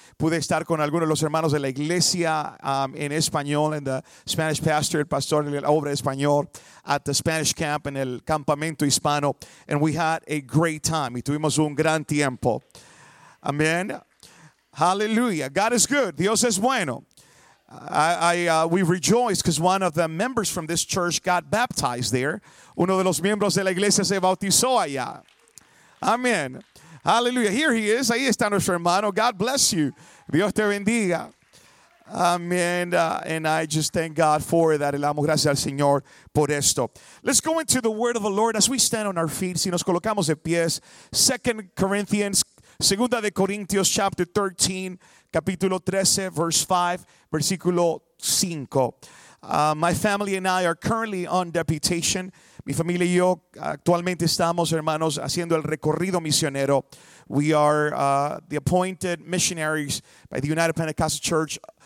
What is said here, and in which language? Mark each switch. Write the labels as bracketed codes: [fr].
[es] Pude estar con algunos de los hermanos de la iglesia en español, [en] and the Spanish pastor, [es] el pastor de la obra español, [en] at the Spanish camp, [es] en el campamento hispano. [en] And we had a great time. [es] Y tuvimos un gran tiempo. [en] Amen. Hallelujah. God is good. [es] Dios es bueno. [en] We rejoice because one of the members from this church got baptized there. [es] Uno de los miembros de la iglesia se bautizó allá. [en] Amen. Hallelujah. Here he is. [es] Ahí está nuestro hermano. [en] God bless you. [es] Dios te bendiga. [en] Amen. And I just thank God for that. [es] Le damos gracias al Señor por esto. [en] Let's go into the word of the Lord as we stand on our feet. [es] Si nos colocamos de pies, [en] 2 Corinthians, [es] Segunda de Corintios, [en] chapter 13, [es] capítulo 13, [en] verse 5, [es] versículo 5. [en] My family and I are currently on deputation. [es] Mi familia y yo actualmente estamos, hermanos, haciendo el recorrido misionero. [en] We are the appointed missionaries by the United Pentecostal Church